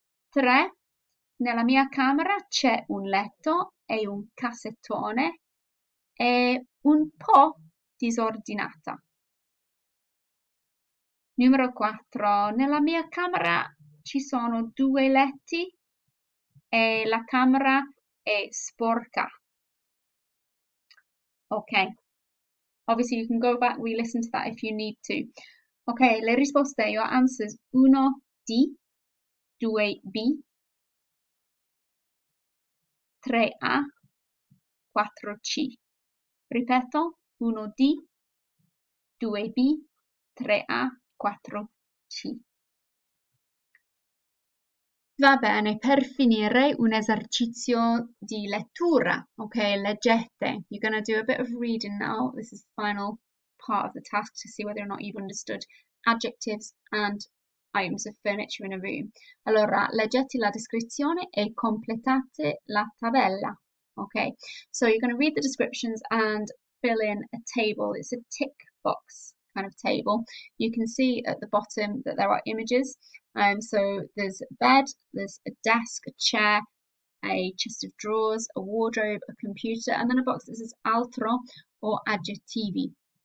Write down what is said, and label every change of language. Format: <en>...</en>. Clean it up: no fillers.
<it>3. Nella mia camera c'è un letto e un cassettone e un po' disordinata. Numero 4. Nella mia camera ci sono due letti e la camera è sporca.</it> <en>Okay, obviously you can go back, re-listen to that if you need to. Okay,</en> <it>le risposte,</it> <en>your answers, 1, D, 2, B, 3, A, 4, C.</en> <it>Ripeto, 1, D, 2, B, 3, A, 4, C. Va bene, per finire un esercizio di lettura. Ok, leggete.</it> <en>You're going to do a bit of reading now. This is the final part of the task to see whether or not you've understood adjectives and items of furniture in a room.</en> <it>Allora, leggete la descrizione e completate la tabella.</it> <en>Ok, so you're going to read the descriptions and fill in a table. It's a tick box kind of table. You can see at the bottom that there are images. So there's a bed, there's a desk, a chair, a chest of drawers, a wardrobe, a computer, and then a box that says altro or aggettivi.</en>